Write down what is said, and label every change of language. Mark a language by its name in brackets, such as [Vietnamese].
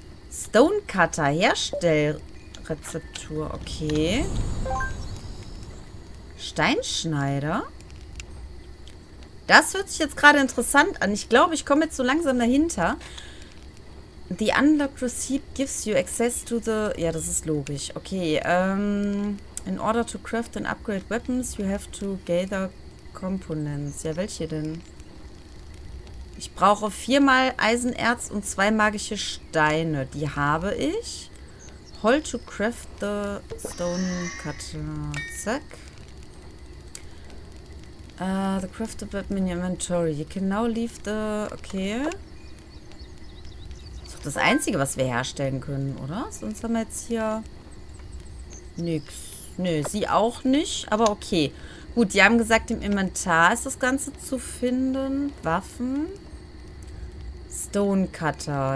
[German] Stonecutter, Herstellrezeptur. Okay. Steinschneider. Das hört sich jetzt gerade interessant an. Ich glaube, ich komme jetzt so langsam dahinter. [English] The unlocked receipt gives you access to the... [German] Ja, das ist logisch. [English] Okay, in order to craft and upgrade weapons, you have to gather components. [German] Ja, welche denn? Ich brauche 4-mal Eisenerz und 2 magische Steine. Die habe ich. [English] Hold to craft the stone cutter. Zack. The crafted weapon in your inventory. You can now leave the... Okay. [German] Das Einzige, was wir herstellen können, oder? Sonst haben wir jetzt hier nichts. Nö, sie auch nicht. Aber okay. Gut, die haben gesagt, im Inventar ist das Ganze zu finden. Waffen. Stonecutter.